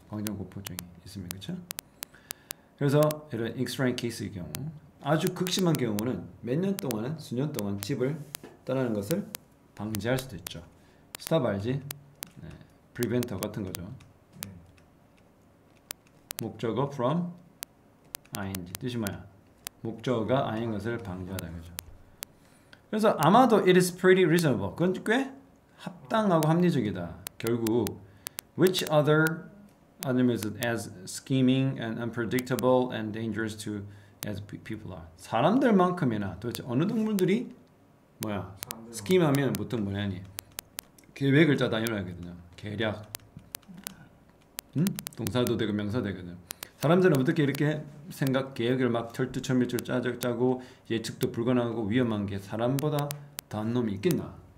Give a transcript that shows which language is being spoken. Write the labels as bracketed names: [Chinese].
[Korean] 광장 공포증이 있으면. 그렇죠? 그래서 이런 extreme case의 경우, 아주 극심한 경우는 몇 년 동안은 수년 동안 집을 떠나는 것을 방지할 수도 있죠. Stop 알지? 네. Preventer 같은 거죠. 목적어 from ing 뜻이 뭐야? 목적어가 아닌 것을 방지하다는 거죠. 그래서 아마도 [English] it is pretty reasonable. [Korean] 그건 꽤 합당하고 합리적이다. 결국 [English] which other animals as scheming and unpredictable and dangerous to as people are. [Korean] 사람들만큼이나 도대체 어느 동물들이 뭐야? 스킴하면 보통 뭐냐니? 계획을 짜다 이러거든요. 계략. 응? 동사도 되고 명사도 되거든. 사람들은 어떻게 이렇게 생각 계획을 막 철두철미철 짜고 예측도 불가능하고 위험한 게 사람보다 더한 놈이 있겠나?